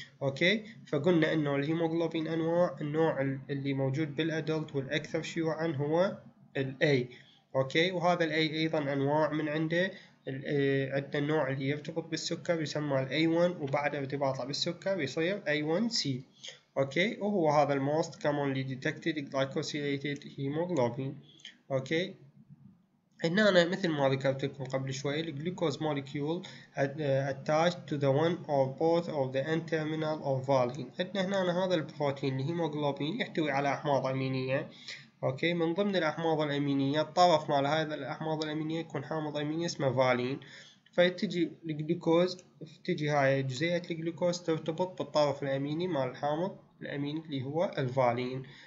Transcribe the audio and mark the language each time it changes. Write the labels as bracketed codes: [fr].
[ar] اوكي فقلنا انه الهيموغلوبين انواع، النوع اللي موجود بالادلت والاكثر شيوعا هو الاي. اوكي وهذا الاي ايضا انواع من عنده، عندنا النوع اللي يرتبط بالسكر يسمى الاي 1، وبعد ارتباطه بالسكر يصير اي 1 سي. اوكي وهو هذا [en] الموست commonly detected glycosylated haemoglobin. [ar] اوكي هنا أنا مثل ما ذكرت لكم قبل شوي، الجلوكوز مولكيول [en] attached to the one or both of the N terminal of valine. [ar] عندنا هنا أنا هذا البروتين الهيموغلوبين يحتوي على أحماض أمينية. اوكي من ضمن الاحماض الامينيه الطرف مال هذا الاحماض الامينيه يكون حامض اميني اسمه فالين، فتجي الجلوكوز تجي هاي جزيئه الجلوكوز ترتبط بالطرف الاميني مال الحامض الاميني اللي هو الفالين.